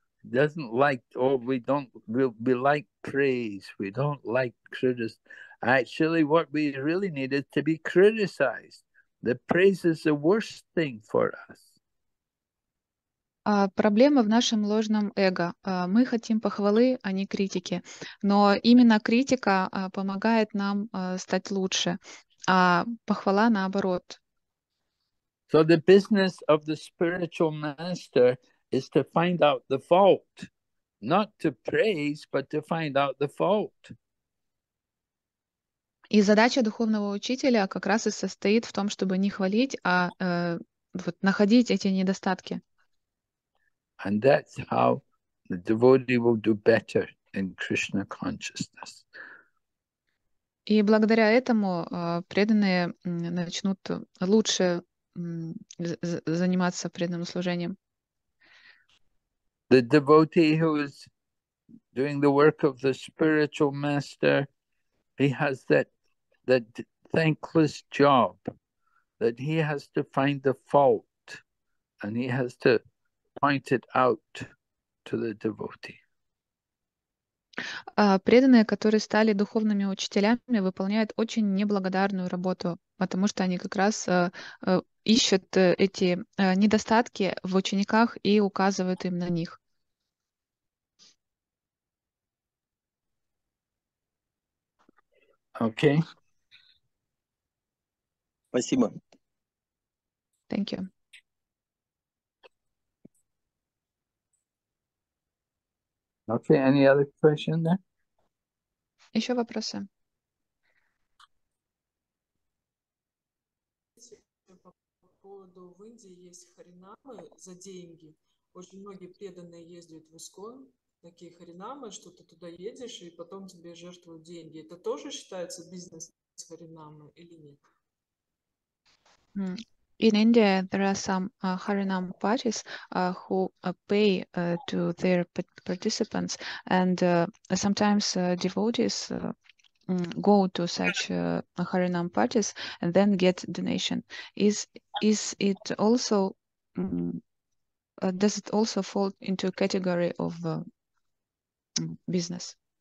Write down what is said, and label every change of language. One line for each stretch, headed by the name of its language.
English: It doesn't like, oh, we don't, we like praise. We don't like criticism. Actually, what we really need is to be criticized. The praise is the worst thing for us.
Russian: Проблема в нашем ложном эго. Мы хотим похвалы, а не критики. Но именно критика помогает нам стать лучше. А похвала наоборот.
English: So the business of the spiritual master is to find out the fault, not to praise, but to find out the fault.
Russian: И задача духовного учителя как раз и состоит в том, чтобы не хвалить, а вот находить эти недостатки.
English: And that's how the devotee will do better in Krishna consciousness.
Russian: И благодаря этому преданные начнут лучше заниматься преданным служением.
English: The devotee who is doing the work of the spiritual master, he has that thankless job, that he has to find the fault, and he has to point it out to the devotee.
Russian: Преданные, которые стали духовными учителями, выполняют очень неблагодарную работу, потому что они как раз ищут эти недостатки в учениках и указывают им на них. Окей. Спасибо.
English: Thank you. Okay, any other question there?
Russian: Еще вопросы? По поводу в Индии есть харинамы за деньги. Очень многие преданные ездят в ИСКОН, такие харинамы, что ты туда едешь, и потом тебе жертвуют деньги. Это тоже считается бизнес харинамы или нет?
English: In India, there are some Harinam parties who pay to their participants, and sometimes devotees go to such Harinam parties and then get donation. Is it also does it also fall into a category of business?